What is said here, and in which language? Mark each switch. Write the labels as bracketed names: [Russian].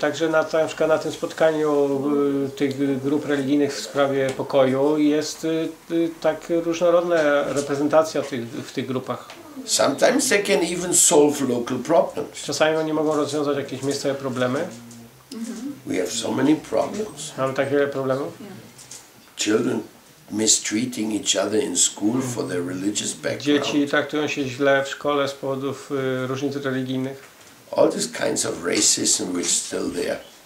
[Polish] Także na przykład na tym spotkaniu tych grup religijnych w sprawie pokoju jest tak różnorodna reprezentacja w tych grupach. [English] Sometimes they can even solve local problems. [Polish] Czasami oni mogą rozwiązać jakieś miejscowe problemy. [English] We have so many problems. [Polish] Mamy tak wiele problemów. [English] Children mistreating each other in school for their religious background. [Polish] Dzieci traktują się źle w szkole z powodów różnic religijnych. [English] All these kinds of racism which still there.